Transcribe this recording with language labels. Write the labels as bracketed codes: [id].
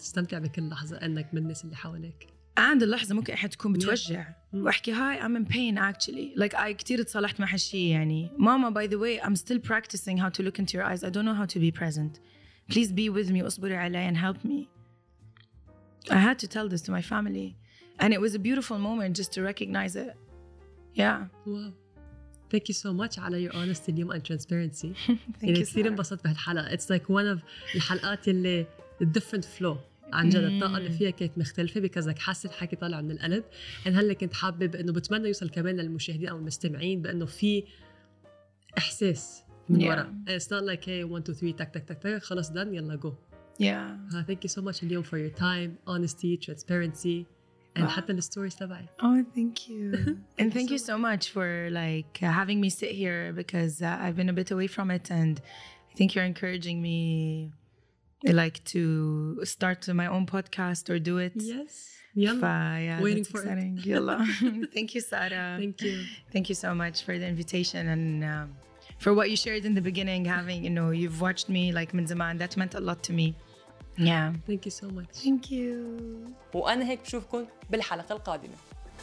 [ar] استمتع بكل لحظة انك من الناس اللي حواليك. And اللحظة ممكن احد تكون بتوجع. واحكي, [en] hi, I'm in pain, actually. Like, I [ar] كتير اتصالحت مع هالشي, يعني. [en] Mama, by the way, I'm still practicing how to look into your eyes. I don't know how to be present. Please be with me, اصبري علي and help me. I had to tell this to my family. And it was a beautiful moment just to recognize it. Yeah. Wow. Thank you so much على your honesty اليوم and transparency. Thank you, [ar] كثير انبسطت بهالحلقة. [en] It's like one of [ar] الحلقات اللي [en] different flow. [ar] عن جد الطاقة اللي فيها كانت مختلفة [en] because like [ar] حاسة الحكي طالع من القلب. And هلا كنت حابة بأنه بتمنى يوصل كمان للمشاهدين أو المستمعين بأنه في إحساس من وراء. [en] And it's not like, hey, 1, 2, 3, tak, tak, tak, tak, خلص done, يلا go. Yeah. Thank you so much اليوم for your time, honesty, transparency. And wow. حتى the stories تبعي. Oh, thank you. And thank you so much for like having me sit here because I've been a bit away from it and I think you're encouraging me like to start my own podcast or do it. Yes. Yeah, waiting for exciting. It. Yalla. Thank you, Sara. Thank you. Thank you so much for the invitation and for what you shared in the beginning, having, you know, you've watched me like [ar] من زمان. [en] That meant a lot to me. Yeah. Thank you so much. Thank you. [ar] وأنا هيك بشوفكم بالحلقة القادمة.